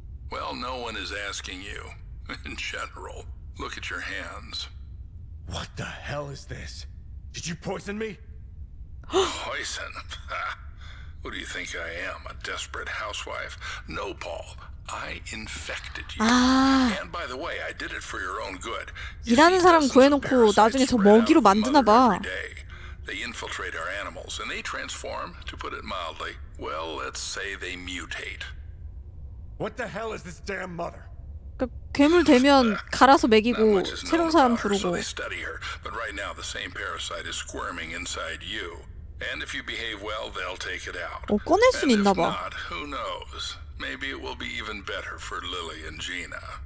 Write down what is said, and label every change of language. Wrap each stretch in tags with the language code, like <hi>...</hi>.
<en>Well, no one is asking you. In general, look at your hands. What the hell is this? Did you poison me? Poison? Who do you think I am? A desperate housewife? No, Paul. I infected you. 아... And by the way, I did it for your own good.</en> <ko>일하는 사람 구해놓고 나중에 저 먹이로 만드나 봐.</ko> <en>They infiltrate our animals, and they transform, to put it mildly. Well, let's say they mutate. What the hell is this damn mother?</en> <ko>괴물 되면 갈아서 먹이고 새로운 사람 부르고.</ko> <en>So they study her, but right now the same parasite is squirming inside you. And if you behave well, they'll take it out.</en> <ko>꺼낼 순 있나 봐.</ko> <en>And if not, who knows? Maybe it will be even better for Lily and Gina.</en>